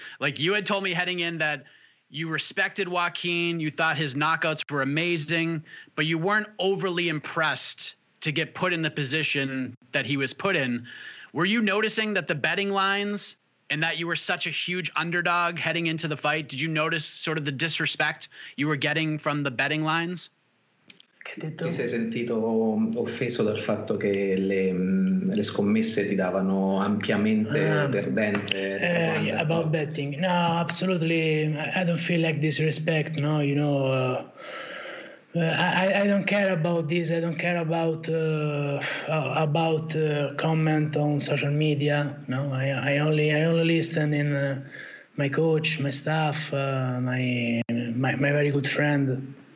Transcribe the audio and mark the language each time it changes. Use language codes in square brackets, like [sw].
[en] Like, you had told me heading in that you respected Joaquin, you thought his knockouts were amazing, but you weren't overly impressed to get put in the position that he was put in. Were you noticing that the betting lines, and that you were such a huge underdog heading into the fight, did you notice sort of the disrespect you were getting from the betting lines? [it] Ti sei sentito offeso dal fatto che le scommesse ti davano ampiamente perdente? [en] About betting, no, absolutely. I don't feel like disrespect. No, you know, I don't care about this. I don't care about comment on social media. No, I only listen in my coach, my staff, my very good friend.